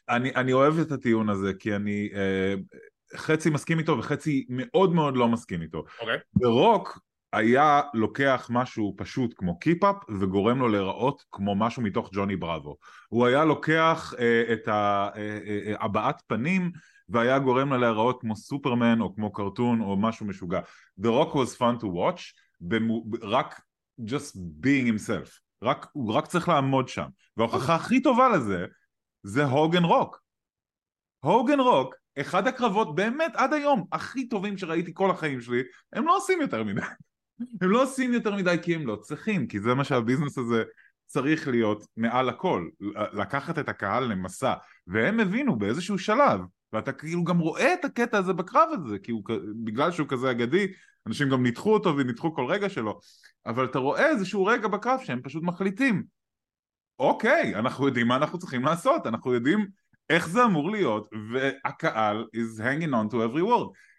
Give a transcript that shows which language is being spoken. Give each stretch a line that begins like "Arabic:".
Hebrew: אני אוהב את הטיעון הזה, כי אני... חצי מסכים איתו וחצי מאוד מאוד לא מסכים איתו. ברוק היה לוקח משהו פשוט כמו קיפ-אפ וגורם לו להיראות כמו משהו מתוך ג'וני בראבו. הוא היה לוקח את הבעת פנים והיה גורם לו להיראות כמו סופרמן או כמו קרטון או משהו משוגע.
English: ברוק was fun to watch, רק just being himself.
Hebrew: רק צריך לעמוד שם. וההוכחה הכי טובה לזה זה הוגן רוק. הוגן רוק אחד הקרבות באמת עד היום הכי טובים שראיתי כל החיים שלי, הם לא עושים יותר מדי. הם לא עושים יותר מדי כי הם לא צריכים, כי זה מה שהביזנס הזה צריך להיות מעל הכל, לקחת את הקהל למסע, והם הבינו באיזשהו שלב, ואתה כאילו גם רואה את הקטע הזה בקרב הזה, כי הוא, בגלל שהוא כזה אגדי, אנשים גם ניתחו אותו וניתחו כל רגע שלו, אבל אתה רואה איזשהו רגע בקרב שהם פשוט מחליטים, אוקיי, אנחנו יודעים מה אנחנו צריכים לעשות, אנחנו יודעים איך זה אמור להיות, והקהל
English: is hanging on to every word.